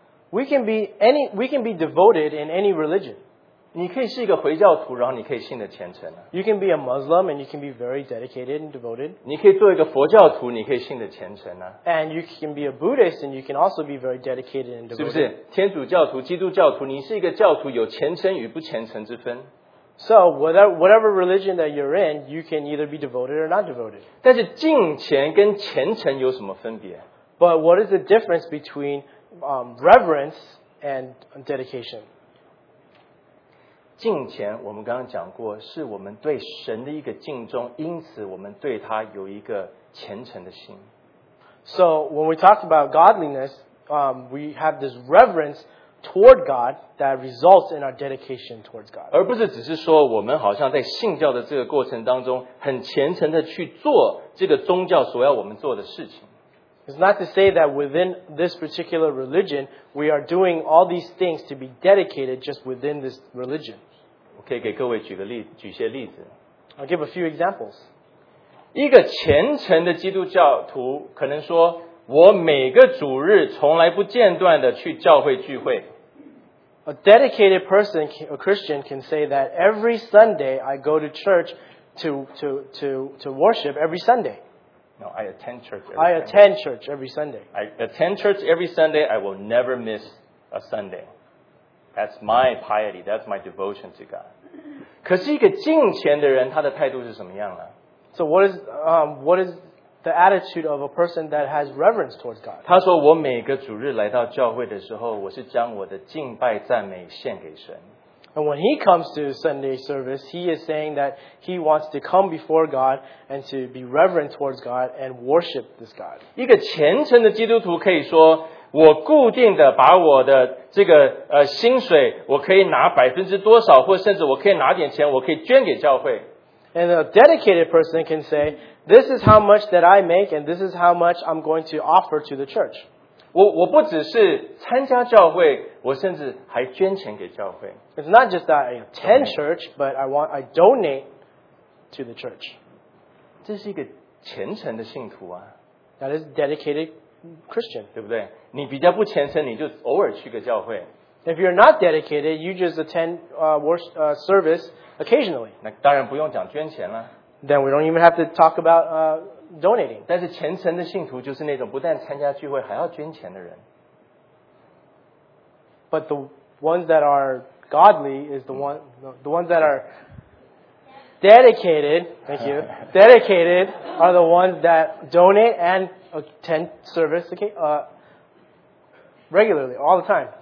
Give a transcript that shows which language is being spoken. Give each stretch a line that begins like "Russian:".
English: We can be devoted in any religion.
Chinese: 你可以是一个回教徒，然后你可以信得虔诚。
English: You can be a Muslim and you can be very dedicated and devoted.
Chinese: 你可以做一个佛教徒，你可以信得虔诚。
English: And you can be a Buddhist and you can also be very dedicated and devoted.
Chinese: 是不是？天主教徒、基督教徒，你是一个教徒，有虔诚与不虔诚之分。
English: So whatever religion that you're in, you can either be devoted or not devoted.
Chinese: 但是敬虔跟虔诚有什么分别？
English: But what is the difference between reverence and dedication?
Chinese: 敬虔我们刚刚讲过，是我们对神的一个敬重，因此我们对他有一个虔诚的心。
English: So when we talk about godliness, we have this reverence toward God that results in our dedication towards God.
Chinese: 而不是只是说我们好像在信教的这个过程当中很虔诚的去做这个宗教所要我们做的事情。
English: It's not to say that within this particular religion, we are doing all these things to be dedicated just within this religion.
Chinese: 我可以给各位举些例子。
English: I'll give a few examples.
Chinese: 一个虔诚的基督教徒可能说，我每个主日从来不间断的去教会聚会。
English: A dedicated person, a Christian, can say that every Sunday I go to church to worship every Sunday. No, I attend church every Sunday. I attend church every Sunday. I attend church every Sunday. I will never miss a Sunday. That's my piety. That's my devotion to God.
Chinese: 可是一个敬虔的人，他的态度是什么样呢？
English: So what is the attitude of a person that has reverence towards God?
Chinese: 他说我每个主日来到教会的时候，我是将我的敬拜赞美献给神。
English: And when he comes to Sunday service, he is saying that he wants to come before God and to be reverent towards God and worship this God.
Chinese: 一个虔诚的基督徒可以说，我固定的把我的这个薪水，我可以拿百分之多少，或甚至我可以拿点钱，我可以捐给教会。
English: And a dedicated person can say, this is how much that I make and this is how much I'm going to offer to the church.
Chinese: 我不只是参加教会，我甚至还捐钱给教会。
English: It's not just that I attend church, but I donate to the church.
Chinese: 这是一个虔诚的信徒啊。
English: That is a dedicated Christian.
Chinese: 对不对？你比较不虔诚，你就偶尔去个教会。
English: If you're not dedicated, you just attend service occasionally.
Chinese: 那当然不用讲捐钱了。
English: Then we don't even have to talk about donating.
Chinese: 但是虔诚的信徒就是那种不但参加聚会还要捐钱的人。
English: But the ones that are godly is the ones that are dedicated. Thank you. Dedicated are the ones that donate and attend service regularly, all the time.